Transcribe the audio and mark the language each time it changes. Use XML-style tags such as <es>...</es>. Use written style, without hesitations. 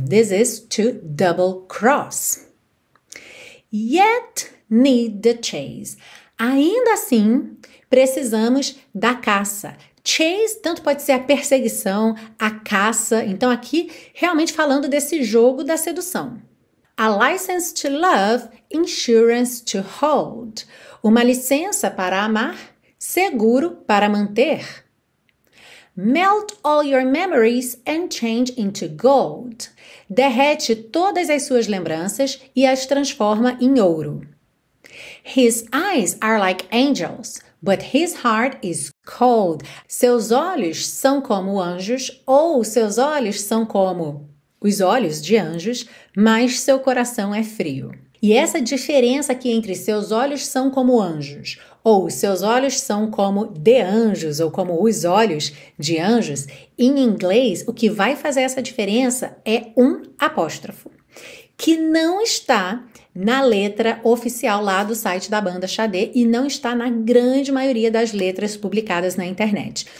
<en>This is to double cross. Yet need the chase.</en> <pt>Ainda assim, precisamos da caça. Chase tanto pode ser a perseguição, a caça, então aqui realmente falando desse jogo da sedução.</pt> <en>A license to love, insurance to hold.</en> <pt>Uma licença para amar, seguro para manter.</pt> <en>Melt all your memories and change into gold.</en> <pt>Derrete todas as suas lembranças e as transforma em ouro.</pt> <en>His eyes are like angels, but his heart is cold.</en> <pt>Seus olhos são como anjos ou seus olhos são como os olhos de anjos, mas seu coração é frio. E essa diferença aqui entre seus olhos são como anjos, ou seus olhos são como de anjos, ou como os olhos de anjos, em inglês, o que vai fazer essa diferença é um apóstrofo, que não está na letra oficial lá do site da banda Sade e não está na grande maioria das letras publicadas na internet.</pt>